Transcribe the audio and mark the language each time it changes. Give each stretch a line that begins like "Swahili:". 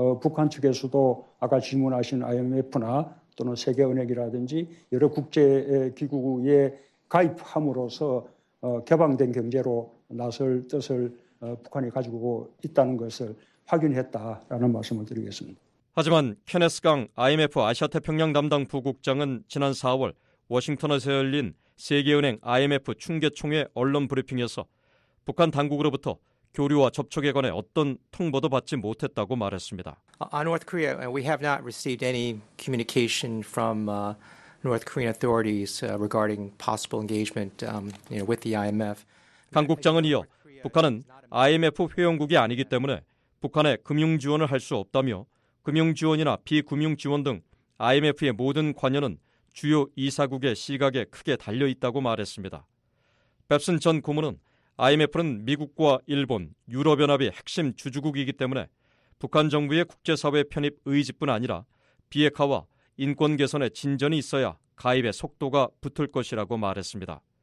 Korean: 북한 측에서도 아까 질문하신 IMF나 또는 세계은행이라든지 여러 국제기구에 가입함으로써 개방된 경제로 나설 뜻을 북한이 가지고 있다는 것을 확인했다라는 말씀을 드리겠습니다. 하지만 케네스 강 IMF 아시아태평양 담당 부국장은 지난 4월 워싱턴에서 열린 세계은행 IMF 충계총회 언론 브리핑에서 북한 당국으로부터 교류와 접촉에 관해 어떤 통보도 받지 못했다고 말했습니다.
English: North Korea, we have not received any communication from North Korean authorities regarding possible engagement with the IMF.
Korean: 강 국장은 이어 북한은 IMF 회원국이 아니기 때문에 북한에 금융 지원을 할 수 없다며 금융 지원이나 비금융 지원 등 IMF의 모든 관여는 주요 이사국의 시각에 크게 달려 있다고 말했습니다. 뱁슨 전 고문은 IMF는 미국과 일본, 유럽연합이 핵심 주주국이기 때문에 북한 정부의 국제사회 편입 의지뿐 아니라 비핵화와 인권 개선의 진전이 있어야 가입의 속도가 붙을 것이라고 말했습니다.